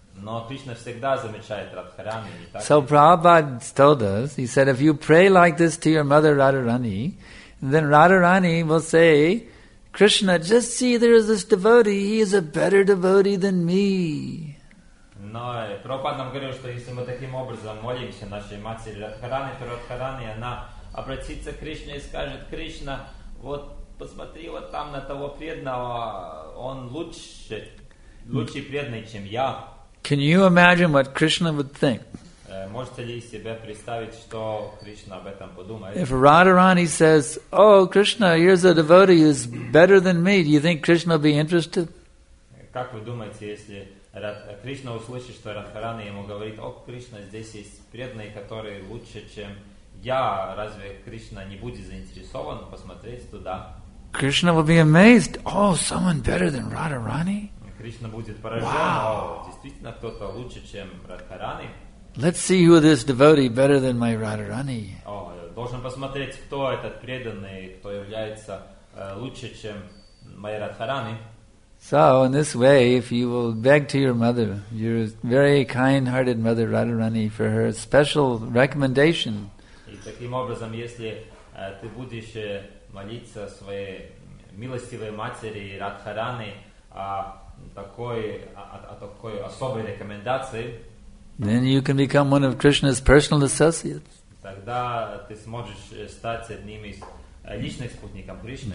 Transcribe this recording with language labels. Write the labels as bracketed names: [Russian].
[Russian] Но Кришна всегда замечает Радхарани. [English] So Prabhupada told us, he said, if you pray like this to your mother Radharani, then Radharani will say, Krishna, just see, there is this devotee, he is a better devotee than me. [Russian] Но Прабхупада нам говорил, что если мы таким образом молимся нашей матери Радхарани, то Радхарани, она обратится к Кришне и скажет, Кришна, вот посмотри вот там на того преданного, он лучше, лучше преданный, чем я. [English] Can you imagine what Krishna would think? [Russian] Можете ли себе представить, что Кришна об этом подумает? [English] If Radharani says, "Oh, Krishna, here's a devotee who's better than me," do you think Krishna will be interested? [Russian] Как вы думаете, если Кришна услышит, что Радхарани ему говорит, "О, Кришна, здесь есть преданный, который лучше, чем я," разве Кришна не будет заинтересован посмотреть туда? [English] Krishna will be amazed. Oh, someone better than Radharani? [Russian] Кришна будет поражен, но действительно кто-то лучше, чем Радхарани. [English] Let's see who this devotee better than my Radharani. [Russian] Должен посмотреть, кто этот преданный, кто является лучше, чем моя Радхарани. [English] So, in this way, if you will beg to your mother, your very kind-hearted mother Radharani, for her special recommendation. [Russian] И таким образом, если ты будешь молиться своей милостивой матери Радхарани, такой особой рекомендации. [English] Then you can become one of Krishna's personal associates. [Russian] Тогда ты сможешь стать одним из личных спутников Кришны.